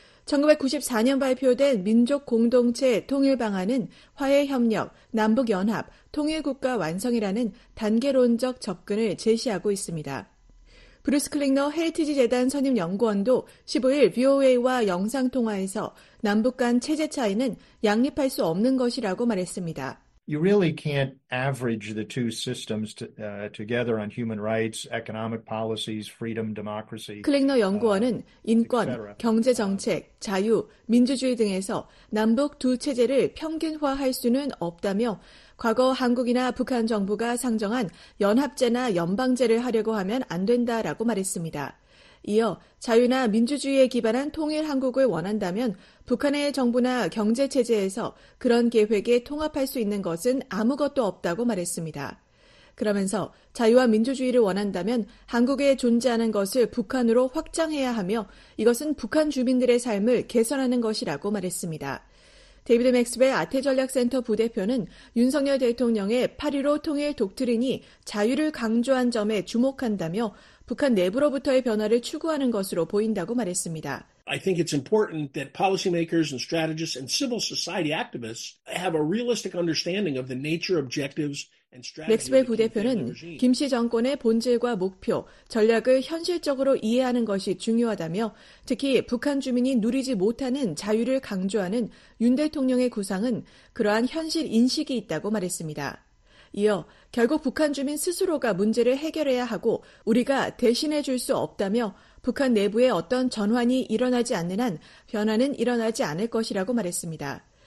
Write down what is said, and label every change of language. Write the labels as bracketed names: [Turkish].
[Korean] 1994년 발표된 민족 공동체 통일 방안은 화해 협력, 남북 연합, 통일 국가 완성이라는 단계론적 접근을 제시하고 있습니다. 브루스 클링너 헤리티지 재단 선임 연구원도 15일 VOA와 영상 통화에서 남북 간 체제 차이는 양립할 수 없는 것이라고 말했습니다. [English] You really can't average the two systems together on human rights, economic policies, freedom, democracy. [Korean] 클링너 연구원은 인권, 경제 정책, 자유, 민주주의 등에서 남북 두 체제를 평균화할 수는 없다며 과거 한국이나 북한 정부가 상정한 연합제나 연방제를 하려고 하면 안 된다라고 말했습니다. 이어 자유나 민주주의에 기반한 통일 한국을 원한다면 북한의 정부나 경제체제에서 그런 계획에 통합할 수 있는 것은 아무것도 없다고 말했습니다. 그러면서 자유와 민주주의를 원한다면 한국에 존재하는 것을 북한으로 확장해야 하며 이것은 북한 주민들의 삶을 개선하는 것이라고 말했습니다. 데이비드 맥스웰 아태전략센터 부대표는 윤석열 대통령의 8.15 통일 독트린이 자유를 강조한 점에 주목한다며 북한 내부로부터의 변화를 추구하는 것으로 보인다고 말했습니다. [English] I think it's important that policymakers and strategists and civil society activists have a realistic understanding of the nature, objectives and strategies. [Korean] 맥스웰 부대표는 김씨 정권의 본질과 목표, 전략을 현실적으로 이해하는 것이 중요하다며 특히 북한 주민이 누리지 못하는 자유를 강조하는 윤 대통령의 구상은 그러한 현실 인식이 있다고 말했습니다. 이어 결국 북한 주민 스스로가 문제를 해결해야 하고 우리가 대신해 줄 수 없다며 북한 내부에 어떤 전환이 일어나지 않는 한 변화는 일어나지 않을 것이라고 말했습니다.